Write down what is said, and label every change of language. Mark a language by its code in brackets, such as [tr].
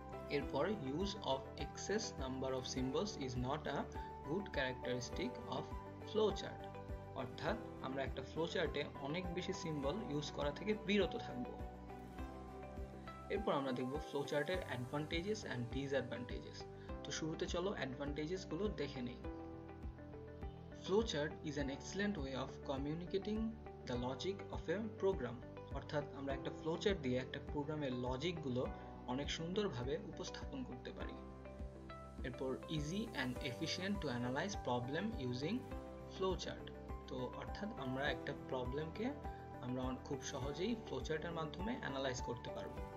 [en] এরপর use of excess number of symbols is not a good characteristic of flow chart. [bn] অর্থাৎ আমরা একটা flow চার্টে অনেক বেশি সিম্বল ইউজ করা থেকে বিরত থাকব। এরপর আমরা দেখব ফ্লো চার্টের অ্যাডভান্টেজেস অ্যান্ড ডিসঅ্যাডভান্টেজেস। তো শুরুতে চলো অ্যাডভান্টেজেসগুলো দেখে নিই। [en] flowchart is an excellent way of communicating the logic of a program. [bn] অর্থাৎ আমরা একটা flowchart দিয়ে একটা প্রোগ্রামের লজিক গুলো অনেক সুন্দরভাবে উপস্থাপন করতে পারি. [en] এরপর easy and efficient to analyse problem using flowchart. [bn] তো অর্থাৎ আমরা একটা প্রবলেমকে আমরা খুব সহজেই ফ্লোচার্টের মাধ্যমে অ্যানালাইজ করতে পারবো.